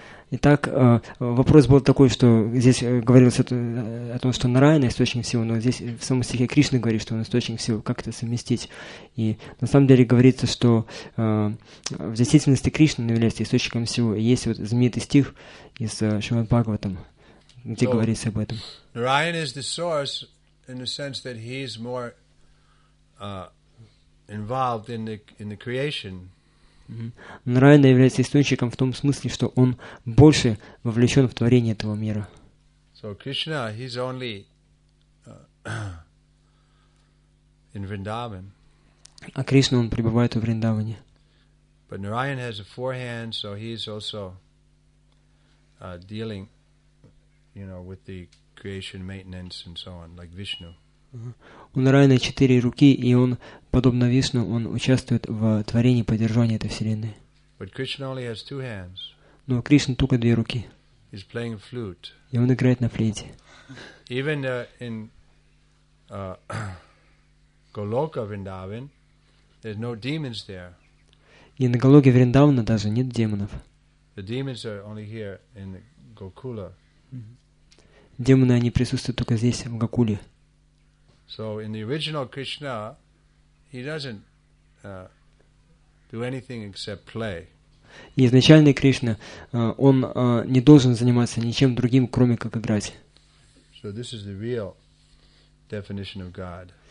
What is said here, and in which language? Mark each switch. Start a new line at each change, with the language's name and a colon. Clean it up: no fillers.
Russian: Итак, вопрос был такой, что здесь говорилось о том, что Нараяна источник всего, но здесь в самом стихе Кришна говорит, что он источник всего, как это совместить. И на самом деле говорится, что в действительности Кришна является источником всего. И есть вот знаменитый стих из Шримад Бхагаватам, где говорится об этом.
English: Narayana is the source in the sense that he is more involved in the creation.
Russian: Narayana является источником в том смысле, что он больше вовлечен в творение этого мира.
English: So Krishna, he's only in Vrindavan.
Russian: А Кришна, он пребывает в Вриндаване.
English: But Narayan has a forehand, so he's also dealing, you know, with the creation, maintenance, and so on, like Vishnu.
Russian: У Нараяна четыре руки, и он, подобно Вишну, он участвует в творении, поддержании этой вселенной.
English: But Krishna only has two hands.
Russian: Но Кришна только две руки.
English: He's playing flute.
Russian: И он играет на флейте.
English: Even in Goloka Vrindavan, there's no demons there.
Russian: И на Гологе Вриндавана даже нет демонов.
English: The demons are only here in Gokula.
Russian: Демоны, они присутствуют только здесь, в Гокуле.
English: So in the original Krishna, he doesn't do anything except play.
Russian: И изначальный Кришна, он не должен заниматься ничем другим, кроме как играть.
English: So this is the real definition of God.